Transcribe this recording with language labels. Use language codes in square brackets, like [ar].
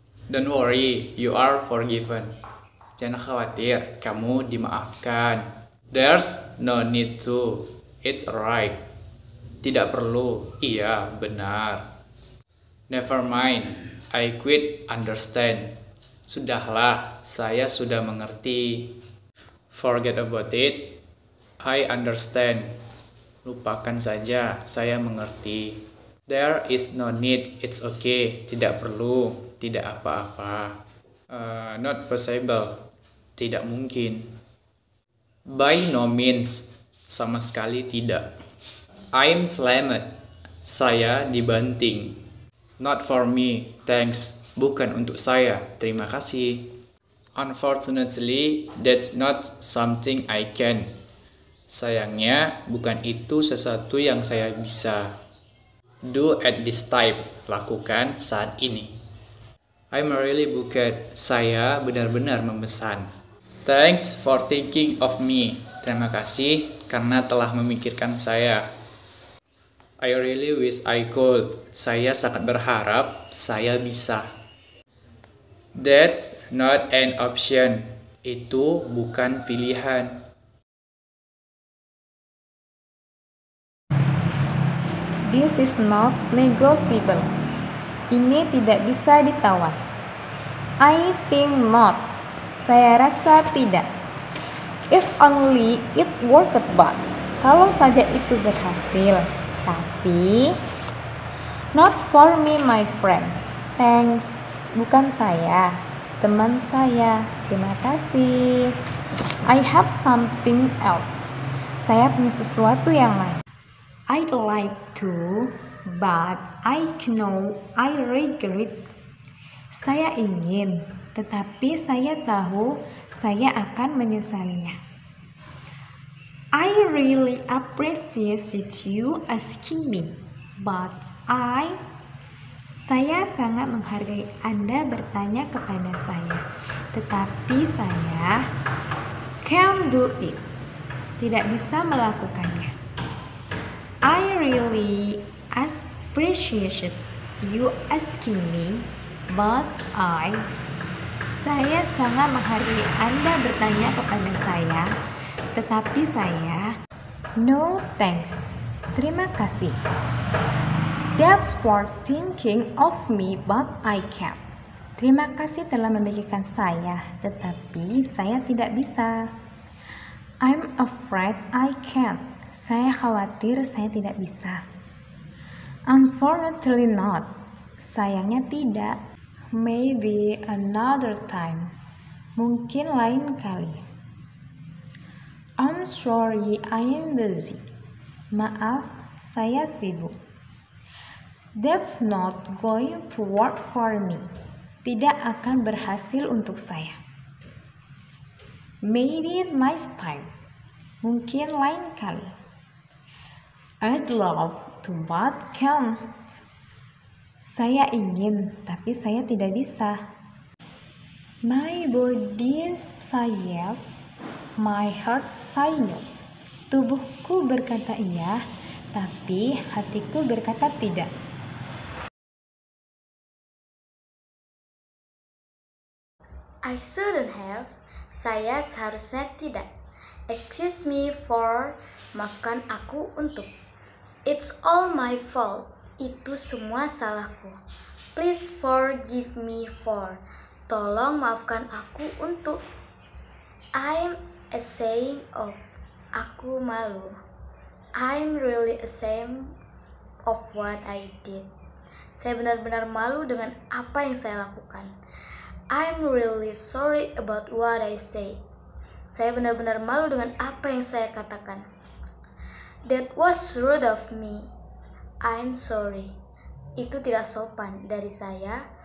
[en] Don't worry, you are forgiven. [id] Jangan khawatir, kamu dimaafkan. [en] There's no need to. It's right. [id] Tidak perlu. Iya, benar. [en] Never mind, I quit, understand. [id] Sudahlah, saya sudah mengerti. [en] Forget about it. I understand. [id] Lupakan saja, saya mengerti. [en] There is no need, it's okay. [id] Tidak perlu. Tidak apa-apa. [en] Not possible. [id] Tidak mungkin. [en] By no means. [id] Sama sekali tidak. [en] I'm slammed. [id] Saya dibanting. [en] Not for me. Thanks. [id] Bukan untuk saya. Terima kasih. [en] Unfortunately, that's not something I can. [id] Sayangnya, bukan itu sesuatu yang saya bisa. [en] Do at this time. [id] Lakukan saat ini. [en] I'm really booked. [id] Saya benar-benar memesan. Thanks for thinking of me. Terima kasih karena telah memikirkan saya. [en] I really wish I could. [id] Saya sangat berharap saya bisa. [en] That's not an option. [id] Itu bukan pilihan. [en] This is not negotiable. [id] Ini tidak bisa ditawar. [en] I think not. [id] Saya rasa tidak. [en] If only it worked, but. [id] Kalau saja itu berhasil. Tapi [en] not for me, my friend. Thanks. [id] Bukan saya. Teman saya. Terima kasih. [en] I have something else. [id] Saya punya sesuatu yang lain. [en] I'd like to, but I know I regret. [id] Saya ingin, tetapi saya tahu saya akan menyesalinya. [en] I really appreciate you asking me, but I... [id] Saya sangat menghargai Anda bertanya kepada saya, tetapi saya... [en] Can't do it. [id] Tidak bisa melakukannya. [en] I really appreciate you asking me, but I... [id] Saya sangat menghargai Anda bertanya kepada saya, tetapi saya... [en] No thanks. [id] Terima kasih. [en] That's for thinking of me, but I can't. [id] Terima kasih telah memikirkan saya, tetapi saya tidak bisa. [en] I'm afraid I can't. [id] Saya khawatir saya tidak bisa. [en] Unfortunately not. [id] Sayangnya tidak. [en] Maybe another time. [id] Mungkin lain kali. [en] I'm sorry, I'm busy. [id] Maaf, saya sibuk. [en] That's not going to work for me. [id] Tidak akan berhasil untuk saya. [en] Maybe next time. [id] Mungkin lain kali. [en] I'd love to, but can't. [id] Saya ingin, tapi saya tidak bisa. [en] My body says yes, my heart says no. [id] Tubuhku berkata iya, tapi hatiku berkata tidak. [en] I shouldn't have. [id] Saya seharusnya tidak. [en] Excuse me for. [id] Maafkan aku untuk. [en] It's all my fault. [id] Itu semua salahku. [en] Please forgive me for. [id] Tolong maafkan aku untuk. [en] I'm ashamed of. [id] Aku malu. [en] I'm really ashamed of what I did. [id] Saya benar-benar malu dengan apa yang saya lakukan. [en] I'm really sorry about what I say. [id] Saya benar-benar malu dengan apa yang saya katakan. [en] That was rude of me. I'm sorry. [id] Itu tidak sopan dari saya.